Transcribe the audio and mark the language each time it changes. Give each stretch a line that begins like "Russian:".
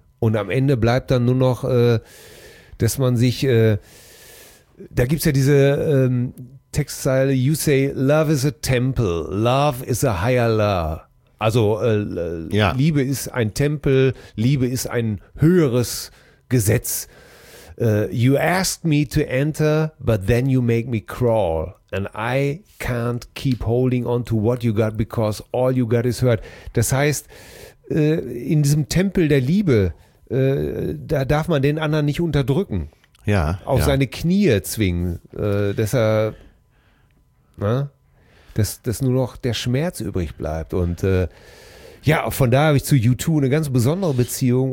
German: Und am Ende bleibt dann nur noch, dass man sich, da gibt's ja diese Textzeile,
English: you say, love is a temple, love is a higher law.
German: Also ja. Liebe ist ein Tempel, Liebe ist ein höheres Gesetz.
English: You ask me to enter, but then you make me crawl. And I can't keep holding on to what you got, because all you got is hurt.
German: Das heißt, in diesem Tempel der Liebe, da darf man den anderen nicht unterdrücken. Ja. Auf ja. seine Knie zwingen. Dass nur noch der Schmerz übrig bleibt. Und von da habe ich zu U2 eine ganz besondere Beziehung.